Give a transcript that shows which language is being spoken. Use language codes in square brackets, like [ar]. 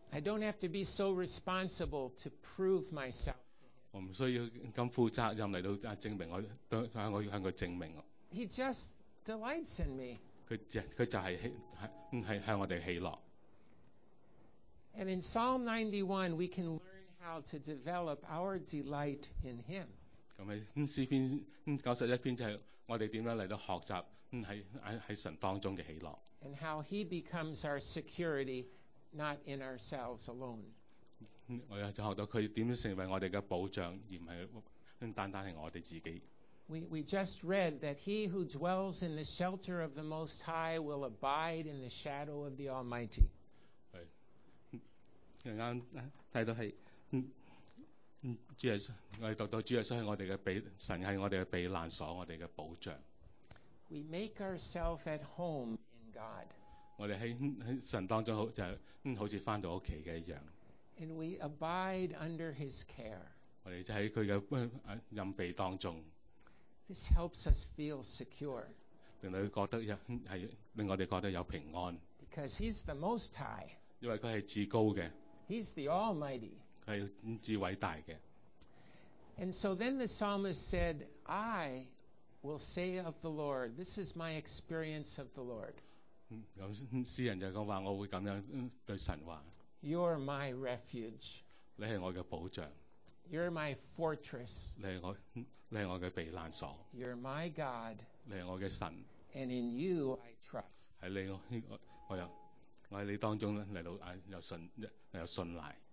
[en] I don't have to be so responsible to prove myself. [zh] 我不需要咁負責任來到證明我向他證明。 [en] He just delights in me. [zh] 他就是向我們喜樂。 [en] And in Psalm 91, we can learn how to develop our delight in him. [zh] 在詩篇91篇就是我們怎樣來到學習在神當中的喜樂。 [en] And how he becomes our security, not in ourselves alone. [zh] 我們就學到他怎樣成為我們的保障，而不是單單是我們自己。 [en] We just read that he who dwells in the shelter of the Most High will abide in the shadow of the Almighty. [zh] 剛剛看到是主耶穌，我們讀到主耶穌是我們的神，是我們的避難所，我們的保障。 [en] We make ourselves at home in God. [zh] 我們在神當中好像回到家的一樣。 [en] And we abide under His care. [zh] 我們就在祂的任備當中。 [en] This helps us feel secure. [zh] 令我們覺得有平安。 [en] Because he's the most high. [zh] 因為他是至高的。 [en] He's the almighty. [zh] 他是至偉大的。 [en] And so then the psalmist said, I will say of the Lord, this is my experience of the Lord. [zh] 詩人就說我會這樣對神說。 [en] You're my refuge. [zh] 你是我的保障。 [en] You're my fortress. [zh] 你是我的避難所。 [en] You're my God. [zh] 你是我的神。 [en] And in you I trust. [zh] 在你我在你當中來到有信賴。